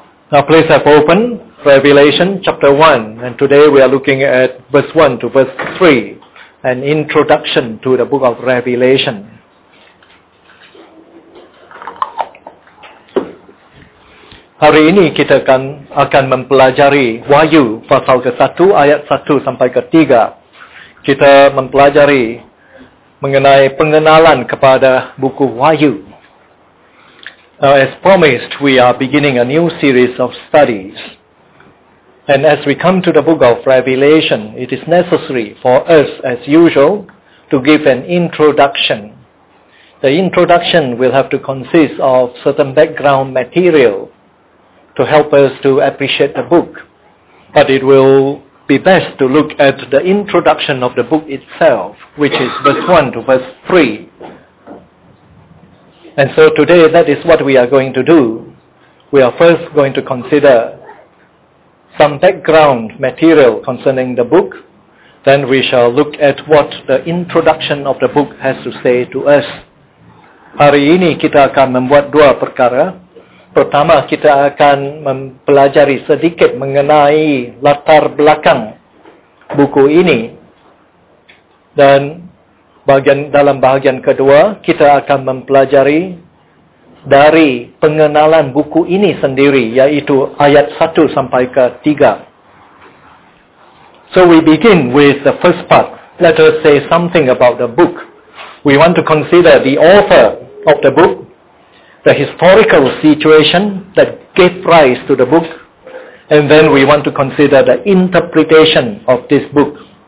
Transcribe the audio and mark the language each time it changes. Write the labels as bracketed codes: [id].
[en] Now please have opened Revelation chapter 1, and today we are looking at verse 1 to verse 3, an introduction to the book of Revelation. [id] Hari ini kita akan mempelajari Wahyu pasal ke-1 ayat 1 sampai ke-3. Kita mempelajari mengenai pengenalan kepada buku Wahyu. [en] Now, as promised, we are beginning a new series of studies. And as we come to the book of Revelation, it is necessary for us, as usual, to give an introduction. The introduction will have to consist of certain background material to help us to appreciate the book. But it will be best to look at the introduction of the book itself, which is verse 1 to verse 3. And so today, that is what we are going to do. We are first going to consider some background material concerning the book. Then we shall look at what the introduction of the book has to say to us. [id] Hari ini kita akan membuat dua perkara. Pertama, kita akan mempelajari sedikit mengenai latar belakang buku ini. Dan dalam bahagian kedua, kita akan mempelajari dari pengenalan buku ini sendiri, yaitu ayat 1 sampai ke 3. [en] So we begin with the first part. Let us say something about the book. We want to consider the author of the book, the historical situation that gave rise to the book, and then we want to consider the interpretation of this book.